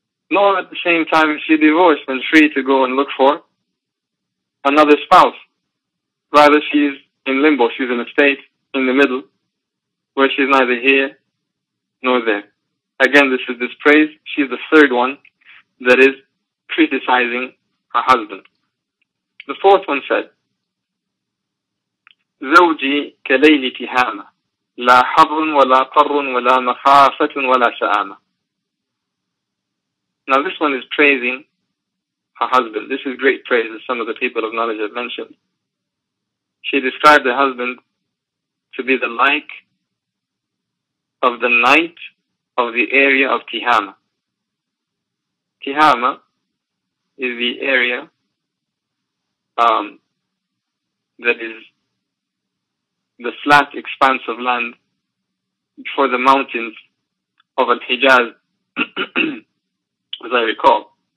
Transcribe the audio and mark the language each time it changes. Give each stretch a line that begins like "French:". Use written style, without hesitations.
English: Nor at the same time is she divorced and free to go and look for another spouse. Rather, she's in limbo. She's in a state in the middle where she's neither here nor there. Again, this is dispraise. She's the third one that is criticizing her husband. The fourth one said,
Arabic: زوجي كليل تهامة لا حر ولا قر ولا مخافة ولا سآمة.
English: Now this one is praising her husband. This is great praise, as some of the people of knowledge have mentioned. She described her husband to be the like of the night of the area of Tihama. Tihama is the area that is the flat expanse of land for the mountains of Al-Hijaz, as I recall.